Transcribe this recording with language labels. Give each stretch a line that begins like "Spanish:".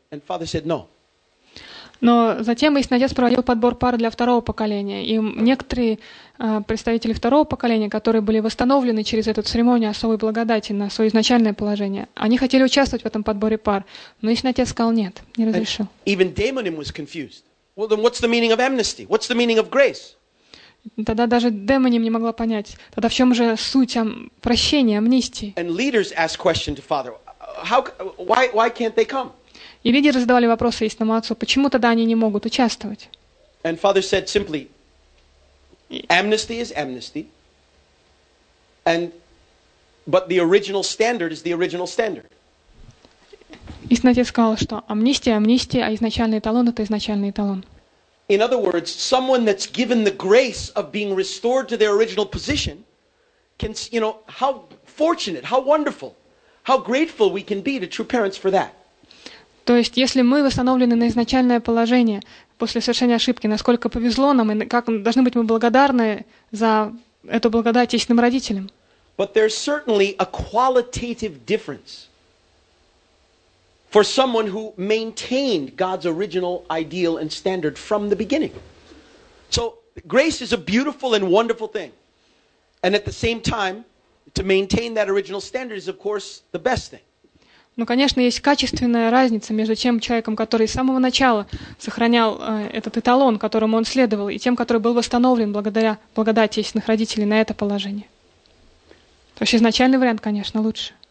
English: And father said no.
Russian: Но затем Истинный Отец проводил подбор пар для второго поколения, и некоторые представители второго поколения, которые были восстановлены через эту церемонию особой благодати на свое изначальное положение, они хотели участвовать в этом подборе пар, но Истинный Отец сказал нет, не разрешил.
English: Even Damon was confused. Well, then what's the meaning of amnesty? What's the meaning of grace?
Russian: Тогда даже Damon не могла понять, тогда в чем же суть прощения, амнистии?
English: And leaders asked question to father, why can't they come?
Russian: И лидеры задавали вопросы Истинному Отцу, почему тогда они не могут участвовать?
English: And father said simply, amnesty is amnesty, but the original standard is the original standard.
Russian: Истинный Отец сказал, что амнистия – амнистия, а изначальный эталон – это изначальный эталон.
English: In other words, someone that's given the grace of being restored to their original position can, you know, how fortunate, how wonderful, how grateful we can be to true parents for that.
Russian: То есть, если мы восстановлены на изначальное положение после совершения ошибки, насколько повезло нам, и как должны быть мы благодарны за эту благодать истинным родителям.
English: But there's certainly a qualitative difference for someone who maintained God's original ideal and standard from the beginning. So, grace is a beautiful and wonderful thing. And at the same time, to maintain that original standard is, of course, the best thing.
Russian: Но, конечно, есть качественная разница между тем человеком, который с самого начала сохранял этот эталон, которому он следовал, и тем, который был восстановлен благодаря благодати истинных родителей на это положение. То есть изначальный вариант, конечно, лучше.